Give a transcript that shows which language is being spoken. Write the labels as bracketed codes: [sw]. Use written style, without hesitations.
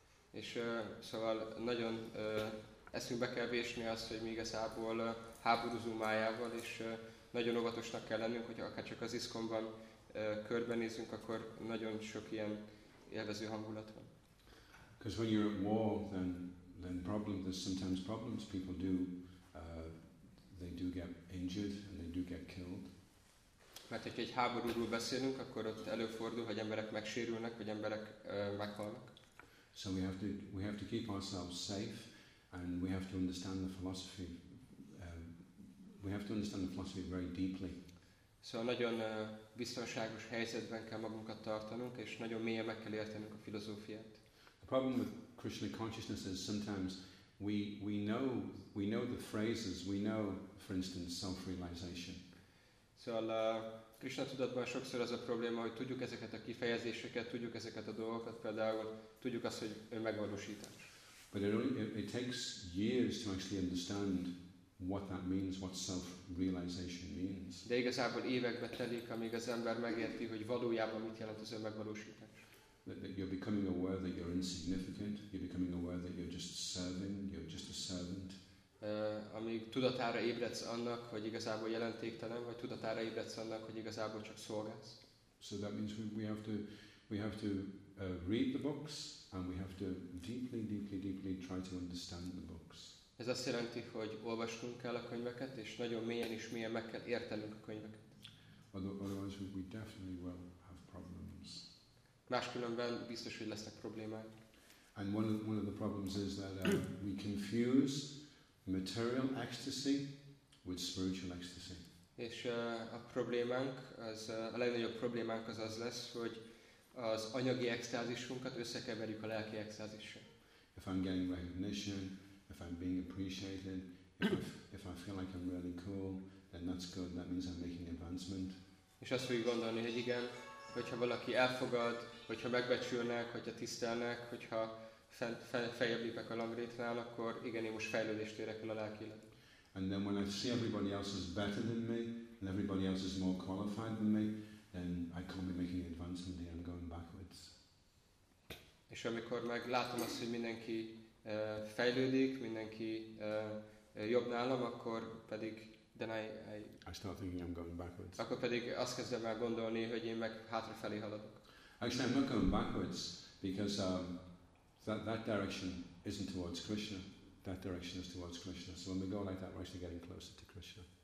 [hu] És szóval nagyon eszünkbe kell vésni azt, hogy mi igazából háborúzunk Májával, és nagyon óvatosnak kell lennünk, hogyha akár csak az ISKCON-ban körbenézünk, akkor nagyon sok ilyen élvező hangulat van. [en] Because when you're at war, then problems, there's sometimes problems. People do, they do get injured and they do get killed. [hu] Mert hogyha egy háborúról beszélünk, akkor ott előfordul, hogy emberek megsérülnek, vagy emberek meghalnak. [en] So we have to keep ourselves safe, and we have to understand the philosophy. We have to understand the philosophy very deeply. [hu] Szóval nagyon biztonságos helyzetben kell magunkat tartanunk, és nagyon mélyen meg kell értenünk a filozófiát. [en] The problem with Krishna consciousness is sometimes we know the phrases, we know, for instance, self-realization. [hu] Szóval a Krishna tudatban sokszor az a probléma, hogy tudjuk ezeket a kifejezéseket, tudjuk ezeket a dolgokat, például tudjuk azt, hogy önmegvalósítás. [en] But it takes years to actually understand what that means, what self-realization means. [hu] De igazából évekbe telik, amíg az ember megérti, hogy valójában mit jelent az önmegvalósítás. [en] That you're becoming aware that you're insignificant, you're becoming aware that you're just serving, you're just a servant. [hu] Amíg tudatára ébredsz annak, hogy igazából jelentéktelen, vagy tudatára ébredsz annak, hogy igazából csak szolgálsz. [en] So that means we have to read the books, and we have to deeply, deeply, deeply try to understand the books. [hu] Ez azt jelenti, hogy olvasnunk kell a könyveket, és nagyon mélyen is mélyen meg kell értenünk a könyveket. [en] Otherwise we definitely will have problems. [hu] Máskülönben biztos, hogy lesznek problémák. [en] And one of the problems is that we confuse material ecstasy with spiritual ecstasy. [hu] És a problémánk, az a legnagyobb problémánk az lesz, hogy az anyagi extázisunkat összekeverjük a lelki extázissal. [en] If I'm getting recognition, if I'm being appreciated, if I feel like I'm really cool, then that's good. That means I'm making advancement. [hu] És azt fogjuk gondolni, hogy igen, hogyha valaki elfogad, hogyha megbecsülnek, hogyha tisztelnek, hogyha feljebb lépek a rangrétrán, akkor igen, én most fejlődést érek el a lelkileg. [en] And then when I see everybody else is better than me, and everybody else is more qualified than me, then I can't be making advancement here, I'm going backwards. [hu] És amikor meg látom azt, hogy mindenki fejlődik, mindenki jobb nálam, akkor pedig [en] I start thinking I'm going backwards. [hu] Akkor pedig azt kezdem el gondolni, hogy én meg hátrafelé haladok. [en] Actually, I'm not going backwards because that direction isn't towards Krishna. That direction is towards Krishna. So when we go like that, we're actually getting closer to Krishna.